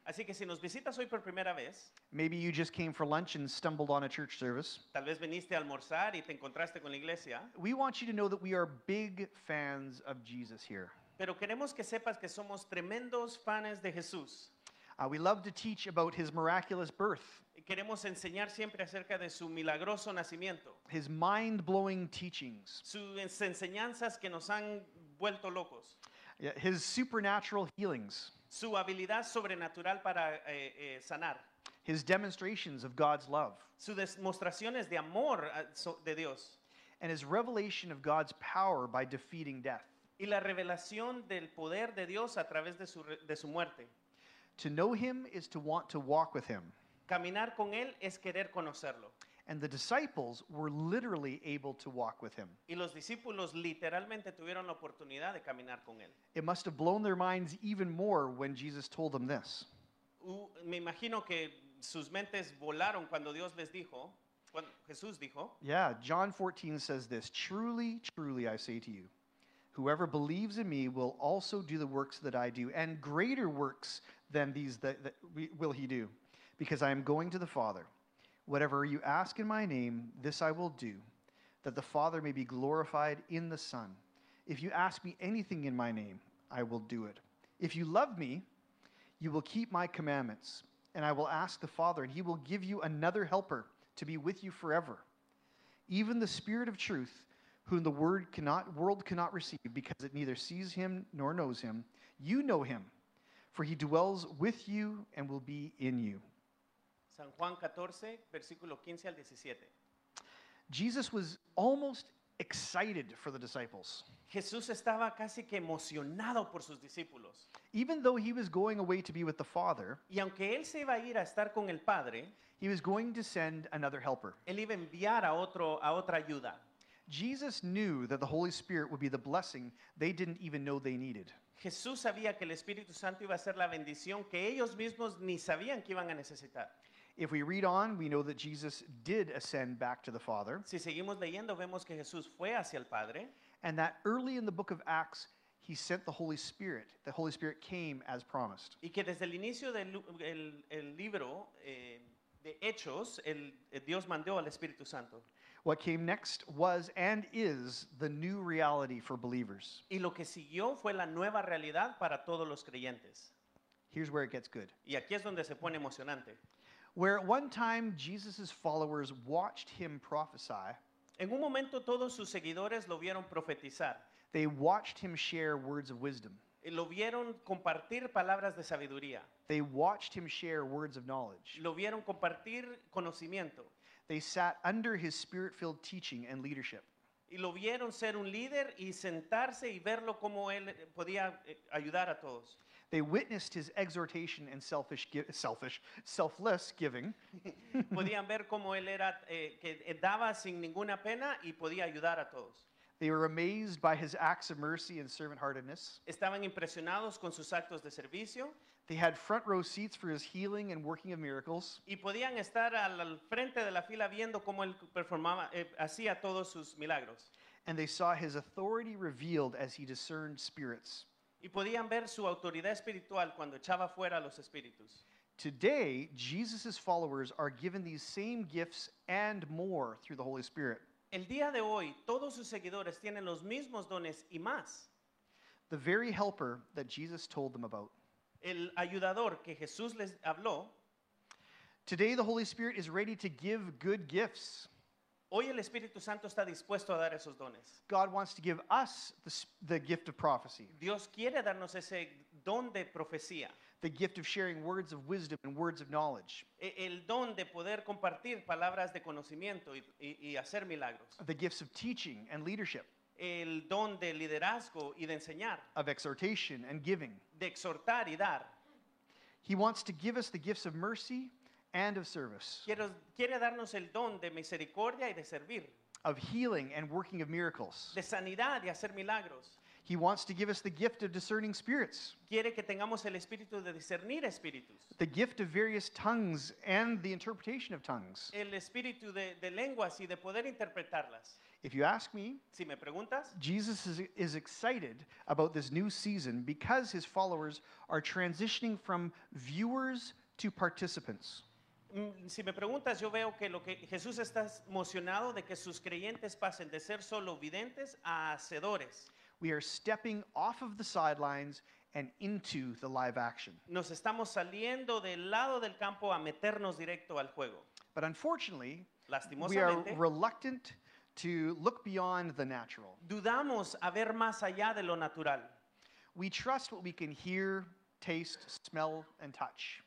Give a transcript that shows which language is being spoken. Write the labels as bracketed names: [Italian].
[Spanish] así que si nos visitas hoy por primera vez, [English] maybe you just came for lunch and stumbled on a church service. [Spanish] Tal vez viniste a almorzar y te encontraste con la iglesia. [English] We want you to know that we are big fans of Jesus here. [Spanish] Pero queremos que sepas que somos tremendos fans de Jesús. [English] We love to teach about his miraculous birth. [Spanish] Queremos enseñar siempre acerca de su milagroso nacimiento. [English] His mind-blowing teachings. [Spanish] Sus enseñanzas que nos han vuelto locos. [English] Yeah, his supernatural healings. [Spanish] Su habilidad sobrenatural para sanar. [English] His demonstrations of God's love. [Spanish] Sus demostraciones de amor de Dios. [English] And his revelation of God's power by defeating death. [Spanish] Y la revelación del poder de Dios a través de su muerte. [English] To know him is to want to walk with him. [Spanish] Caminar con él es querer conocerlo. [English] And the disciples were literally able to walk with him. [Spanish] Y los discípulos literalmente tuvieron la oportunidad de caminar con él. [English] It must have blown their minds even more when Jesus told them this. [Spanish] Me imagino que sus mentes volaron cuando Dios les dijo, cuando Jesús dijo. [English] Yeah, John 14 says this, truly, truly I say to you, whoever believes in me will also do the works that I do, and greater works than these will he do, because I am going to the Father. Whatever you ask in my name, this I will do, that the Father may be glorified in the Son. If you ask me anything in my name, I will do it. If you love me, you will keep my commandments, and I will ask the Father, and he will give you another helper to be with you forever. Even the Spirit of truth, whom the world cannot receive, because it neither sees him nor knows him, you know him, for he dwells with you and will be in you. [Spanish] San Juan 14, versículo 15 al 17. [English] Jesus was almost excited for the disciples. [Spanish] Jesús estaba casi que emocionado por sus discípulos. [English] Even though he was going away to be with the Father, [Spanish] y aunque él se iba a ir a estar con el Padre, [English] he was going to send another helper. [Spanish] Él iba a enviar a otra ayuda. [English] Jesus knew that the Holy Spirit would be the blessing they didn't even know they needed. [Spanish] Jesús sabía que el Espíritu Santo iba a ser la bendición que ellos mismos ni sabían que iban a necesitar. [English] If we read on, we know that Jesus did ascend back to the Father. [Spanish] Si seguimos leyendo, vemos que Jesús fue hacia el Padre. [English] And that early in the book of Acts, he sent the Holy Spirit. The Holy Spirit came as promised. [Spanish] Y que desde el inicio del el libro de Hechos, el Dios mandó al Espíritu Santo. [English] What came next was and is the new reality for believers. [Spanish] Y lo que siguió fue la nueva realidad para todos los creyentes. [English] Here's where it gets good. [Spanish] Y aquí es donde se pone emocionante. [English] Where at one time Jesus' followers watched him prophesy. [Spanish] En un momento todos sus seguidores lo vieron profetizar. [English] They watched him share words of wisdom. [Spanish] Lo vieron compartir palabras de sabiduría. [English] They watched him share words of knowledge. [Spanish] Lo vieron compartir conocimiento. [English] They sat under his Spirit-filled teaching and leadership. [Spanish] Y lo vieron ser un líder y sentarse y verlo como él podía ayudar a todos. [English] They witnessed his exhortation and selfless giving. [Spanish] Podían ver cómo él era que daba sin ninguna pena y podía ayudar a todos. [English] They were amazed by his acts of mercy and servant-heartedness. [Spanish] Estaban impresionados con sus actos de servicio. [English] They had front row seats for his healing and working of miracles. [Spanish] Y podían estar al frente de la fila viendo cómo él performaba, hacía todos sus milagros. [English] And they saw his authority revealed as he discerned spirits. [Spanish] Y podían ver su autoridad espiritual cuando echaba fuera a los espíritus. [English] Today, Jesus' followers are given these same gifts and more through the Holy Spirit. [Spanish] El día de hoy, todos sus seguidores tienen los mismos dones y más. [English] The very helper that Jesus told them about. [Spanish] El ayudador que Jesús les habló. [English] Today, the Holy Spirit is ready to give good gifts. [Spanish] Hoy el Espíritu Santo está dispuesto a dar esos dones. [English] God wants to give us the gift of prophecy. [Spanish] Dios quiere darnos ese don de profecía. [English] The gift of sharing words of wisdom and words of knowledge. [Spanish] El don de poder compartir palabras de conocimiento y hacer milagros. [English] The gifts of teaching and leadership. [Spanish] El don de liderazgo y de enseñar. [English] Of exhortation and giving. [Spanish] De exhortar y dar. [English] He wants to give us the gifts of mercy and of service. [Spanish] Quiere darnos el don de misericordia y de servir. [English] Of healing and working of miracles. [Spanish] De sanidad y hacer milagros. [English] He wants to give us the gift of discerning spirits. [Spanish] Quiere que tengamos el espíritu de discernir espíritus. [English] The gift of various tongues and the interpretation of tongues. [Spanish] El espíritu de lenguas y de poder interpretarlas. [English] If you ask me, [Spanish] si me preguntas, [English] Jesus is excited about this new season because his followers are transitioning from viewers to participants. [Spanish] Si me preguntas, yo veo que lo que Jesús está emocionado de que sus creyentes pasen de ser solo videntes a hacedores. [English] We are stepping off of the sidelines and into the live action. [Spanish] Nos estamos saliendo del lado del campo a meternos directo al juego. [English] But unfortunately, [Spanish] lastimosamente, [English] we are reluctant to look beyond the natural. [Spanish] Dudamos a ver más allá de lo natural. [English] We trust what we can hear, taste, smell, and touch.